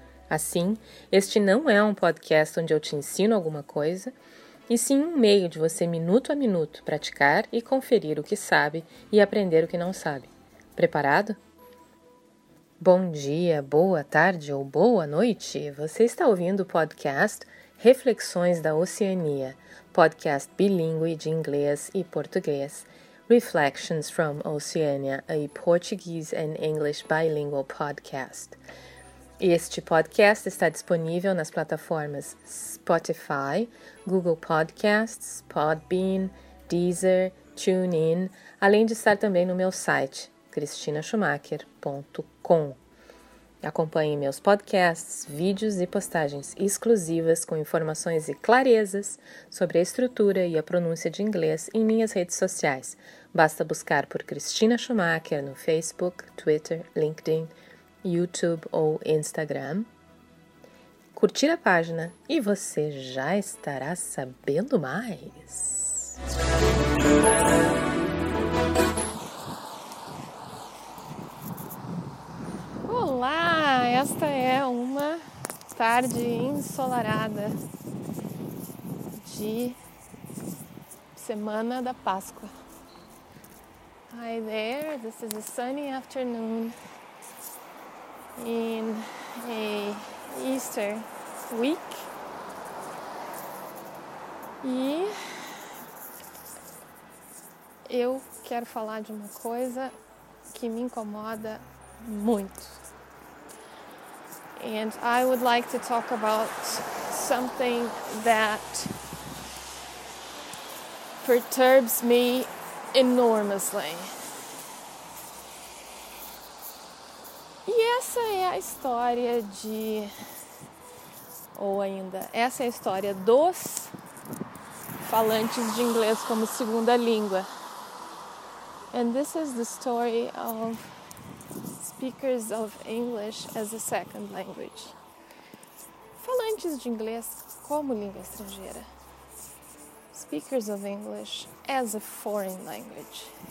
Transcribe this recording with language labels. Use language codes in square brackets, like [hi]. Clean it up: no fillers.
[pt] Assim, este não é um podcast onde eu te ensino alguma coisa, e sim um meio de você, minuto a minuto, praticar e conferir o que sabe e aprender o que não sabe. Preparado? Bom dia, boa tarde ou boa noite. Você está ouvindo o podcast Reflexões da Oceania, podcast bilíngue de inglês e português. [en] Reflections from Oceania, a Portuguese and English bilingual podcast. [pt] Este podcast está disponível nas plataformas Spotify, Google Podcasts, Podbean, Deezer, TuneIn, além de estar também no meu site, cristinaschumacher.com. Acompanhe meus podcasts, vídeos e postagens exclusivas com informações e clarezas sobre a estrutura e a pronúncia de inglês em minhas redes sociais. Basta buscar por Cristina Schumacher no Facebook, Twitter, LinkedIn, YouTube ou Instagram. Curtir a página e você já estará sabendo mais. Olá, esta é uma tarde ensolarada de semana da Páscoa. [en] Hi there, this is a sunny afternoon in a Easter week. [pt] E eu quero falar de uma coisa que me incomoda muito. [en] And I would like to talk about something that perturbs me enormously. [pt] E essa é a história de, ou ainda, essa é a história dos falantes de inglês como segunda língua. [en] And this is the story of speakers of English as a second language. [pt] Falantes de inglês como língua estrangeira. [en] Speakers of English as a foreign language.